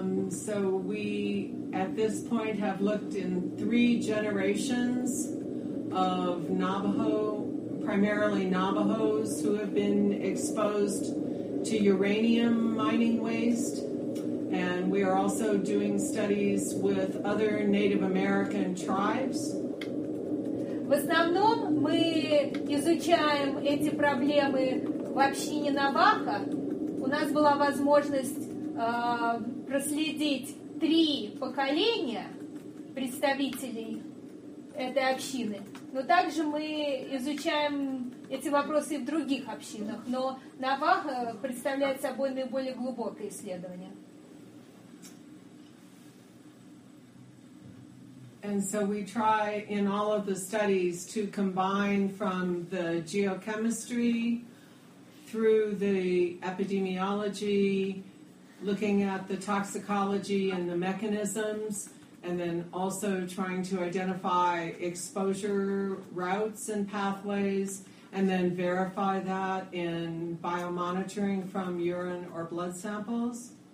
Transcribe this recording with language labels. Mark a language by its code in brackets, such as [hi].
[en] So we at this point have looked in three generations of Navajo, primarily Navajos who have been exposed to uranium mining waste, and we are also doing studies with other Native American tribes. [ru] В основном мы изучаем эти проблемы в общине Навахо. У нас была возможность проследить три поколения представителей этой общины. Но также мы изучаем эти вопросы и в других общинах. Но Навахо представляет собой наиболее глубокое исследование. [en] And so we try in all of the studies to combine from the geochemistry through the epidemiology, looking at the toxicology and the mechanisms, and then also trying to identify exposure routes and pathways, and then verify that in biomonitoring from urine or blood samples.